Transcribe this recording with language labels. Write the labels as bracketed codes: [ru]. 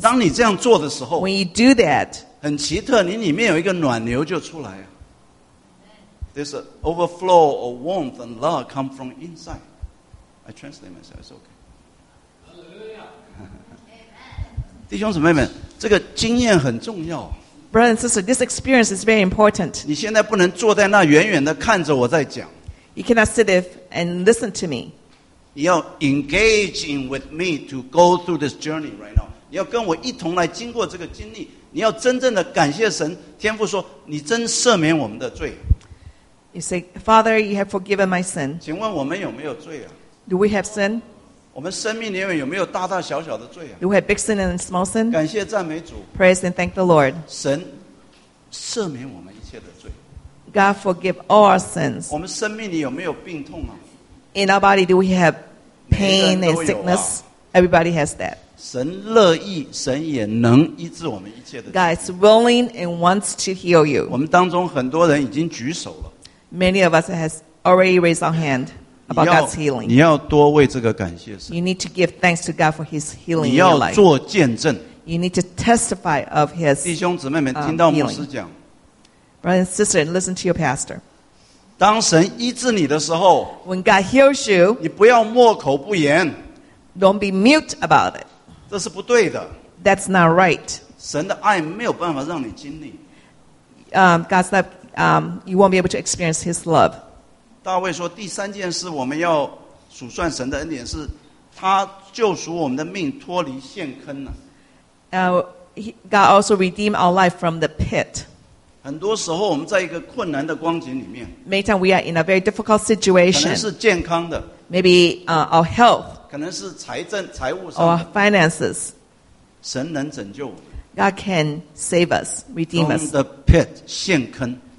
[zh] 当你这样做的时候 [en] ，When you do that, [zh] 很奇特，你里面有一个暖流就出来。 [en] This overflow of warmth and love come from inside. I translate myself, it's okay. [zh] 弟兄姊妹们，这个经验很重要。 [en] Brother and sister, this experience is very important. [zh] 你现在不能坐在那远远的看着我在讲。 [en] You cannot sit there and listen to me. [zh] 你要 [en] engage in with me to go through this journey right now. [zh] 你要跟我一同来经过这个经历。你要真正的感谢神，天父说，你真赦免我们的罪。 [en] You say, Father, you have forgiven my sin. [zh] 请问我们有没有罪啊？ [en] Do we have sin? [zh] 我们生命里面有没有大大小小的罪啊？ [en] Do we have big sin and small sin? [zh] 感谢赞美主。 [en] Praise and thank the Lord. [zh] 神赦免我们一切的罪。 [en] God forgive all our sins. [zh] 我们生命里有没有病痛啊？ [en] In our body, do we have pain and sickness? Everybody has that. [zh] 神乐意，神也能医治我们一切的罪。 [en] God is willing and wants to heal you. [zh] 我们当中很多人已经举手了。 [en] Many of us has already raised our hand about God's healing. [zh] 你要多为这个感谢神。 [en] You need to give thanks to God for His healing. [zh] 你要做见证。 [en] You need to testify of His healing. [zh] 弟兄姊妹们，听到牧师讲。 [en] Brother and sister, listen to your pastor. [zh] 当神医治你的时候。 [en] When God heals you. [zh] 你不要默口不言。 [en] Don't be mute about it. [zh] 这是不对的。 [en] That's not right. [zh] 神的爱没有办法让你经历。 [en] God's love. You won't be able to experience His love. [zh] 大卫说第三件事我们要数算神的恩典是他救赎我们的命脱离陷坑了。 [en] God also redeemed our life from the pit. [zh] 很多时候我们在一个困难的光景里面。 [en] Many times we are in a very difficult situation. [zh] 可能是健康的。 [en] Maybe our health. [zh] 可能是财务上的。 [en] Or finances. [zh] 神能拯救我们。 [en] God can save us, redeem us. From the pit, 陷坑。